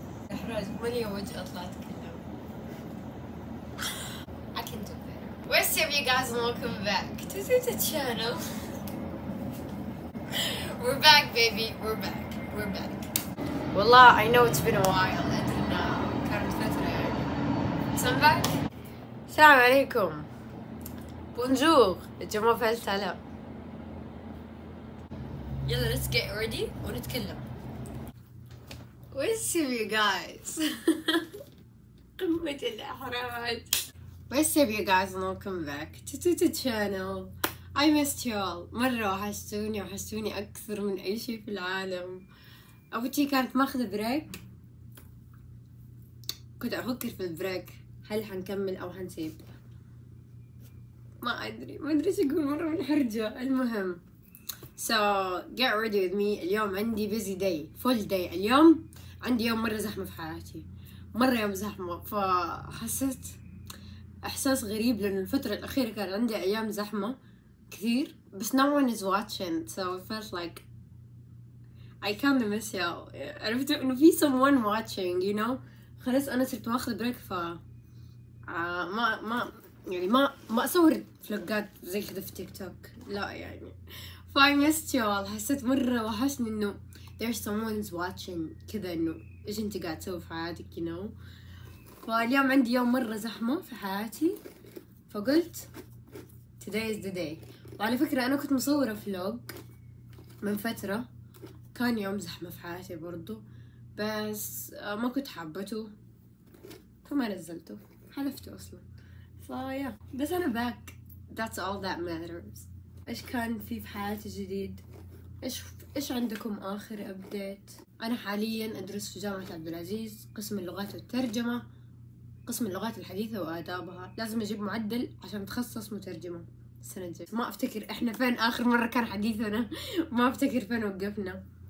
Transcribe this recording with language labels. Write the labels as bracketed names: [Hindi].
[Arabic] الأحراج مالي وجه أطلع أتكلم. [English] I can do better. What's up you guys and welcome back to the channel. We're back baby, we're back, we're back. والله I know it's been a while. [Arabic] أدرنا كانت فترة يعني. [English] I'm back. [Arabic] السلام عليكم. [French] Bonjour, je m'appelle Salam. [English] Yalla, let's get ready [Arabic] ونتكلم. [English] What's up you guys? [Arabic] قمة الأحراج. [English] What's up you guys and welcome back to the channel. I missed y'all. [Arabic] مرة وحشتوني وحشتوني أكثر من أي شيء في العالم. أبوتي كانت ماخذ بريك. كنت أفكر في البريك. هل هنكمل أو هنسيب؟ ما أدري شو أقول مرة من حرجة. المهم [English] so get ready with me. [Arabic] اليوم عندي [English] busy day, full day. [Arabic] اليوم عندي يوم مرة زحمة في حياتي, مرة يوم زحمة, فحسيت إحساس غريب لأن الفترة الأخيرة كان عندي أيام زحمة كثير بس [English] no one is watching, so it felt like I kinda miss y'all. [Arabic] عرفت إنه في [English] someone watching, you know. [Arabic] خلاص أنا صرت ماخذ بريك, ف ما يعني ما أصور فلقات زي كده في تيك توك, لا يعني. [English] فاي مست يوال, [Arabic] حسيت مرة وحشني إنه [English] there's someone's watching [Arabic] كذا, إنه إيش أنت قاعد تسوي في حياتك, [English] you know. [Arabic] فاليوم عندي يوم مرة زحمة في حياتي, فقلت [English] today is the day. [Arabic] وعلى فكرة أنا كنت مصورة فلوج من فترة كان يوم زحمة في حياتي برضو, بس ما كنت حابته فما نزلته, حلفته أصلا. بس أنا [English] back, that's all that matters. [Arabic] إيش كان في حياتي جديد؟ إيش عندكم آخر update؟ أنا حالياً أدرس في جامعة عبدالعزيز قسم اللغات والترجمة, قسم اللغات الحديثة وآدابها. لازم أجيب معدل عشان أتخصص مترجمة السنة الجاية. ما أفتكر إحنا فين آخر مرة كان حديثنا. ما أفتكر فين وقفنا.